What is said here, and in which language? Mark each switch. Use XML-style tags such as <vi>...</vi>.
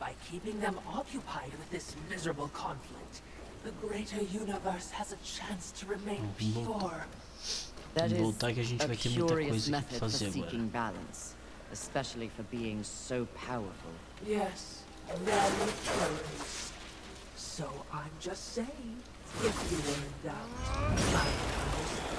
<en>Keeping them occupied with this miserable conflict, the greater universe has a chance to remain pure.</en> <pt>Vamos voltar que a gente vai ter muita coisa que fazer agora.</pt> <en>Especially for being so powerful. Yes, very curious. So I'm just saying, if you were in doubt, my powers.</en>